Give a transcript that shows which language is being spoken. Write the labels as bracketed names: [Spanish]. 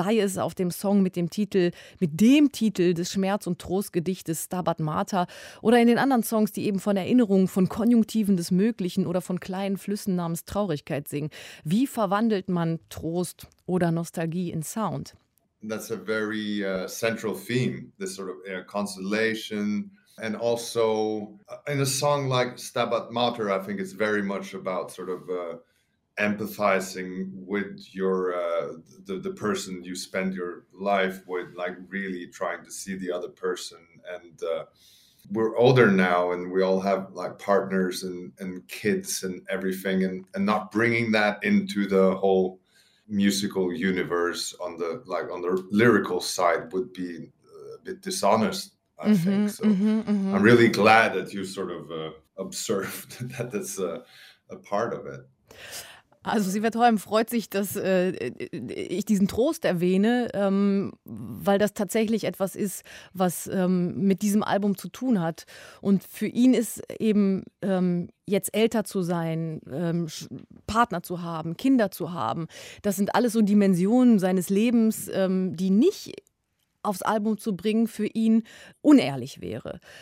[German] Sei es auf dem Song mit dem Titel des Schmerz- und Trostgedichtes Stabat Mater oder in den anderen Songs, die eben von Erinnerungen, von Konjunktiven des Möglichen oder von kleinen Flüssen namens Traurigkeit singen. Wie verwandelt man Trost oder Nostalgie in Sound? [English] That's a very central theme, this sort of consolation. And also in a song like Stabat Mater, I think it's very much about sort of empathizing with your the person you spend your life with, like really trying to see the other person. And we're older now and we all have like partners and kids and everything, and not bringing that into the whole musical universe on the like on the lyrical side would be a bit dishonest, I think. I'm really glad that you sort of observed that that's a part of it. [German] Also Sivert Høyem freut sich, dass ich diesen Trost erwähne, weil das tatsächlich etwas ist, was mit diesem Album zu tun hat. Und für ihn ist eben jetzt älter zu sein, Partner zu haben, Kinder zu haben, das sind alles so Dimensionen seines Lebens, die nicht aufs Album zu bringen für ihn unehrlich wäre.